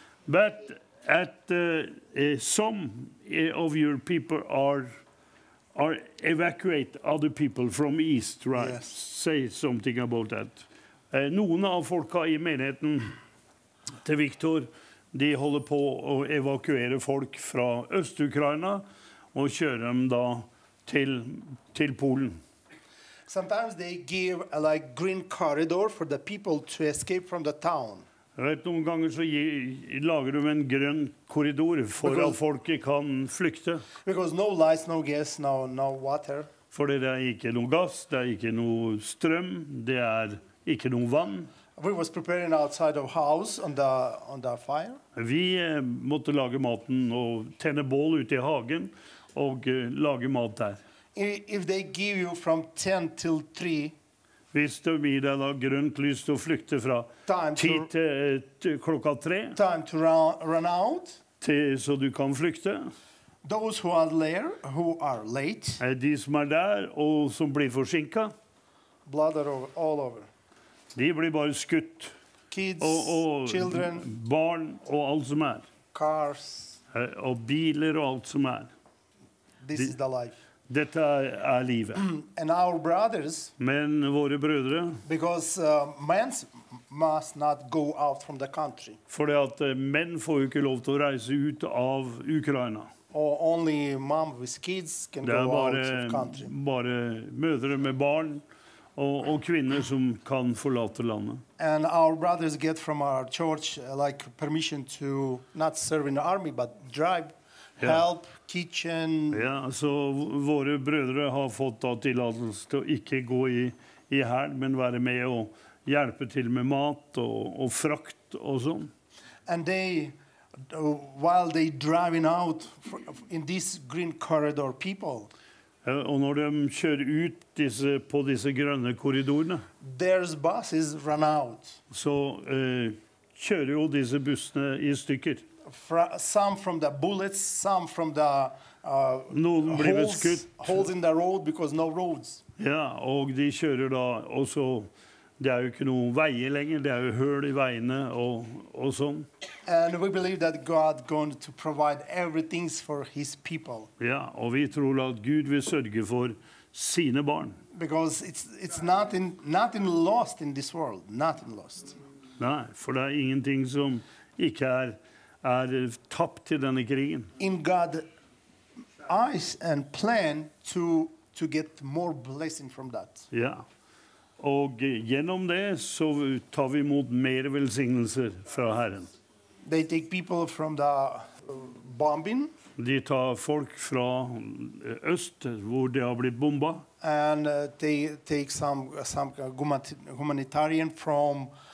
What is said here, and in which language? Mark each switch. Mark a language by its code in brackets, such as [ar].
[en] But at some of your people are evacuate other people from east, right? Yes. Say something about that. [no] Noen av folka i menigheten til Victor, de holder på å evakuere folk fra Øst-Ukraina og kjører dem da til Polen. [en] Sometimes they give a like green corridor for the people to escape from the town. [no] Vet, noen ganger så lager de en grønn korridor for at folk kan flykte. [en] Because no lights, no gas, no water. [no] Fordi det er ikke noe gass, det er ikke noe strøm, det er ikke noe vann. [en] We was preparing outside of house on the fire. [no] Vi måtte lage maten og tenne bål ute i hagen og lage mat der. [en] If they give you from 10 till 3. [no] Hvis det blir deg da grønt lys til å flykte fra ti til klokka tre. [en] Time to run out. [no] Til, så du kan flykte. [en] Those who are there, who are late. [no] De som er der og som blir forsinket. [en] Blood all over. [no] De blir bare skutt. [en] Kids, og children. [no] Barn og alt som er. [en] Cars. [no] Og biler og alt som er. [en] This is the life. [no] Dette er livet. [en] And our brothers, [no] men våre brødre, [en] because men must not go out from the country. [no] Fordi at menn får jo ikke lov til å reise ut av Ukraina. [en] Or only mom with kids can go [no] bare, [en] out of the country. [no] Bare mødre med barn og kvinner som kan forlate landet. [en] And our brothers get from our church like permission to not serve in the army but drive. Help, kitchen. [no] Ja, så våre brødre har fått da tillatelse til å ikke gå i hæren, men være med og hjelpe til med mat og frakt og sånn. [en] And they, while they driving out in this green corridor people. [no] Og når de kjører ut på disse grønne korridorene. [en] There's buses run out. [no] Så kjører jo disse bussene i stykker. [en] Some from the bullets, some from the holes in the road because no roads. [no] Ja, og de kjører da også, det er jo ikke noen veier lenger, det er jo høl i veiene og sånn. [en] And we believe that God is going to provide everything for his people. [no] Ja, og vi tror at Gud vil sørge for sine barn. [en] Because it's nothing lost in this world, nothing lost. [no] Nei, for det er ingenting som ikke er tapt i denne krigen. [en] In God's eyes and plan to get more blessing from that. [no] Ja. Og gjennom det så tar vi imot mer velsignelser fra Herren. [en] They take people from the bombing. [no] De tar folk fra øst hvor det har blitt bomba. [en] And they take some humanitarian from.